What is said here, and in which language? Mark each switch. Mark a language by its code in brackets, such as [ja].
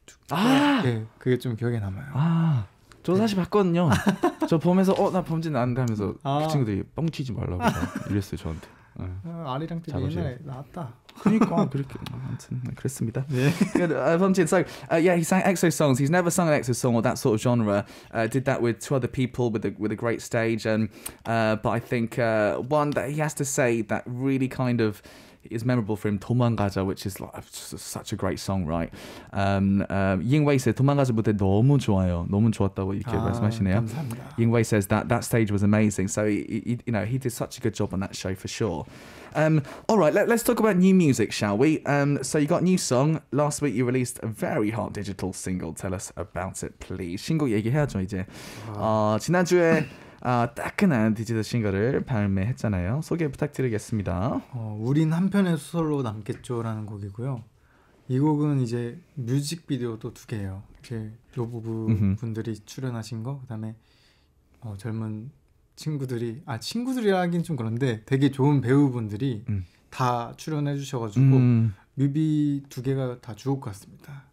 [ko] 아, 네, 그게 좀 기억에 남아요. 아, 저 사실 봤거든요. 저 보면서 나 범진 안 돼 하면서 그 친구들이 뻥치지 말라고 이랬어요 저한테. 아리랑 때 옛날에 나왔다. 그러니까 그렇게 아무튼 그렇습니다. [en] Yeah. Good. So, yeah, he sang EXO songs. He's never sung an EXO song or that sort of genre. Did that with two other people with a great stage. And but I think one that he has to say that really kind of is memorable for him, 도망가자, which is like such a great song, right? [ko] Ying Wei said 도망가자부터 너무 좋아요. 너무 좋았다고 이렇게 말씀하시네요. 감사합니다. [en] Ying Wei says that stage was amazing. So he did such a good job on that show for sure. Alright, let's talk about new music, shall we? So you got a new song. Last week you released a very hot digital single. Tell us about it, please. [ko] 신곡 얘기해야죠, 이제. 지난주에 따끈한 디지털 싱글을 발매했잖아요. 소개 부탁드리겠습니다. 우린 한 편의 소설로 남겠죠라는 곡이고요. 이 곡은 이제 뮤직비디오도 두 개예요. 이제 노부부 분들이 출연하신 거, 그다음에 젊은 친구들이라긴 좀 그런데 되게 좋은 배우분들이 다 출연해 주셔가지고 뮤비 두 개가 다 좋을 것 같습니다.